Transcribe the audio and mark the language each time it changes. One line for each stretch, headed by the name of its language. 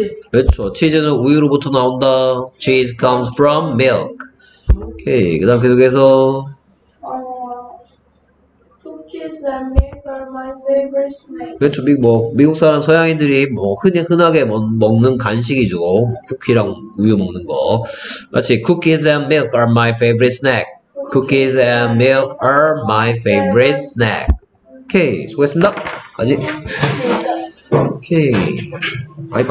Korean: 그렇죠. 치즈는 우유로부터 나온다.
English: Cheese comes from milk.
Korean: 오케이, 그다음 계속해서.
English: Cookies and milk are my favorite snack.
Korean: 그렇죠. 미국 사람 서양인들이 뭐 흔하게 먹는 간식이죠. 쿠키랑 우유 먹는 거. 마치
English: cookies and milk are my favorite snack. Cookies and milk are my favorite snack.
Korean: 오케이, 수고했습니다. 아직. 오케이. 바이바이.